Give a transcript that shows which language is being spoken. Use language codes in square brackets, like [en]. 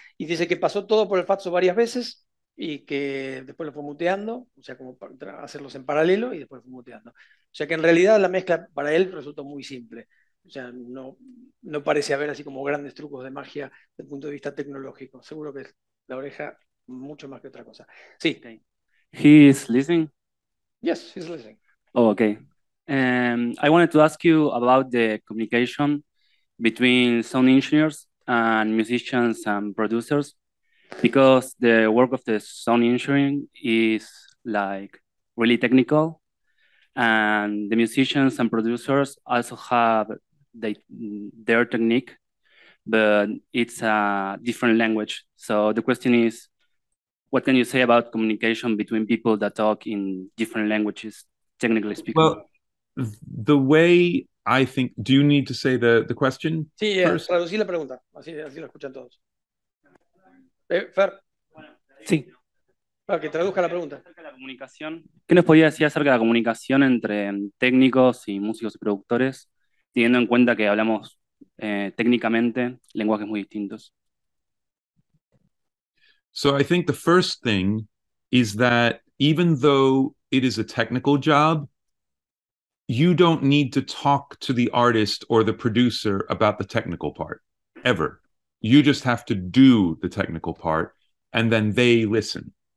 [es] Y dice que pasó todo por el Fatso varias veces y que después lo fue muteando, o sea, como para hacerlos en paralelo y después lo fue muteando. O sea que en realidad la mezcla para él resultó muy simple. O sea, no parece haber así como grandes trucos de magia desde el punto de vista tecnológico. Seguro que es la oreja mucho más que otra cosa. Sí. Okay. [en] He is listening? Yes, he's listening. Oh, okay. I wanted to ask you about the communication between sound engineers and musicians and producers, because the work of the sound engineering is like really technical. And the musicians and producers also have their technique, but it's a different language. So the question is, what can you say about communication between people that talk in different languages, technically speaking? Well, the way I think, do you need to say the question? [es] Sí, first? Traducir la pregunta, así lo escuchan todos. Fer? Sí. que traduzca la pregunta. Acerca de la comunicación, ¿qué nos podría decir acerca de la comunicación entre técnicos y músicos y productores, teniendo en cuenta que hablamos técnicamente lenguajes muy distintos? [en] So I think the first thing is that even though it is a technical job, you don't need to talk to the artist or the producer about the technical part, ever. You just have to do the technical part, and then they listen.